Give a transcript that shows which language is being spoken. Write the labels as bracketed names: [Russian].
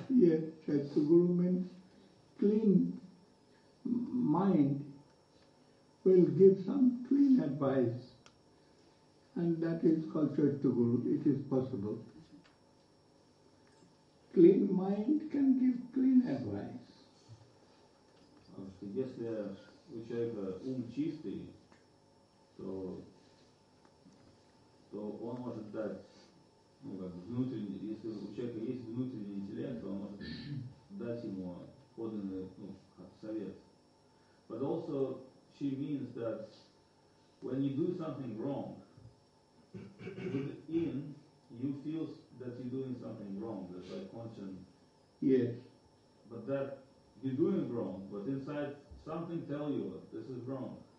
[English] Yes, Chaitanya Guru means clean mind will give some clean advice. And that is called Chaitanya Guru. It is possible. Clean mind can give clean advice. [Russian] Если у человека ум чистый, то он может дать. Ну, как внутренний, если у человека есть внутренний интеллект, то он может дать ему подлинный, ну, совет. [English] But also she means that when you do something wrong, within you feel that you're doing something wrong, that's like conscience. Yes. But that you're doing wrong, but inside something tell you this is wrong.